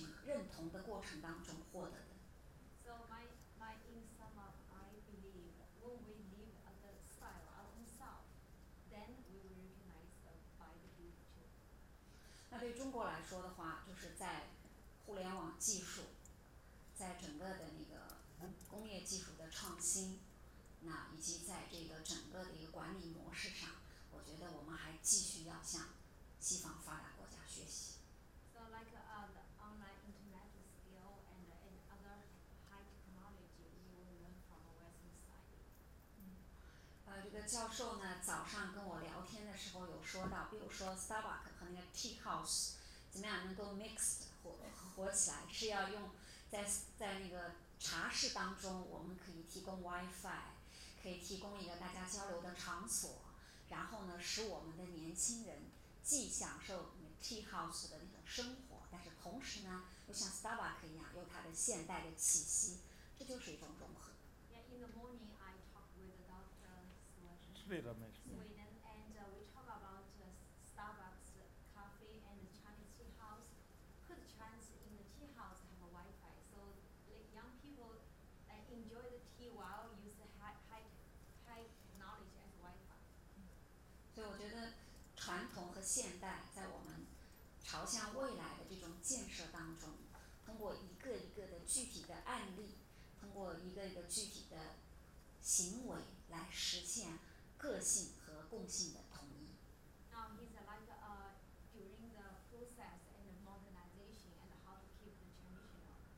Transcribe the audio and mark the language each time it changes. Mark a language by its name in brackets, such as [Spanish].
[Chinese] 但是总的来说，我的一个观点是，我们每个人的个性，我们每个人的活出来的特色，实际上恰恰是在跟社会、跟整个人群认同的过程当中获得的。 [English] So my in sum up, I believe when we live at the style of ourself, then we will recognize the by the future. [Chinese] 那对中国来说的话，就是在互联网技术。在整个的那个工业技术的创新，那以及在这个整个的一个管理模式上，我觉得我们还继续要向西方发达国家学习。So [English] like the online internet skill and other high technology you will learn from Western side. [Chinese] 这个教授呢早上跟我聊天的时候有说到，比如说 Starbucks 和那个 Tea House 怎么样能够 mixed 火起来，是要用。 在那个茶室当中我们可以提供 WiFi， 可以提供一个大家交流的场所，然后呢使我们的年轻人既享受 tea house 的那种生活，但是同时呢又像 Starbucks 一样有它的现代的气息，这就是一种融合。 [English] Yeah, in the morning I talk with the doctor Sriramesh Sweden, and we talk about Starbucks cafe and the Chinese tea house. Could Chinese in the tea house have a wifi, so like young people enjoy the tea while use the high knowledge as wifi. [Chinese] 所以我觉得传统和现代在我们朝向未来的这种建设当中，通过一个一个的具体的案例，通过一个一个具体的行为来实现个性和共性的统一。 [English] Now he's like during the process and the modernization and how to keep the traditional.